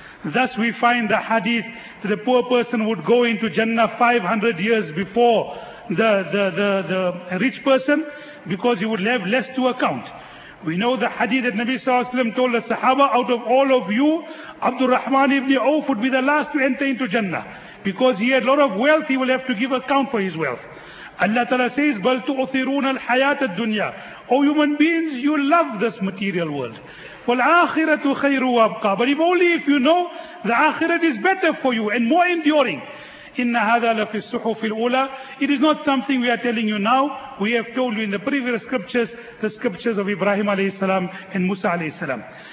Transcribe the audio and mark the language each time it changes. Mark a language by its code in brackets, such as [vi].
[en] Thus we find the hadith that the poor person would go into Jannah 500 years before the rich person, because he would have less to account. We know the hadith that Nabi Sallallahu Alaihi Wasallam told the Sahaba, out of all of you, Abdul Rahman ibn Auf would be the last to enter into Jannah. Because he had a lot of wealth, he will have to give account for his wealth. Allah Ta'ala says, [ar] بَلْ تُؤْثِرُونَ الْحَيَاةَ الدُّنْيَا. [en] O human beings, you love this material world. [ar] وَالْآخِرَةُ خَيْرُ وَأَبْقَى. [en] But if only if you know, the akhirat is better for you and more enduring. [ar] إِنَّ هَذَا لَفِي الصُّحُفِ الْأُولَى. [en] It is not something we are telling you now. We have told you in the previous scriptures, the scriptures of Ibrahim alayhi salam and Musa alayhi salam.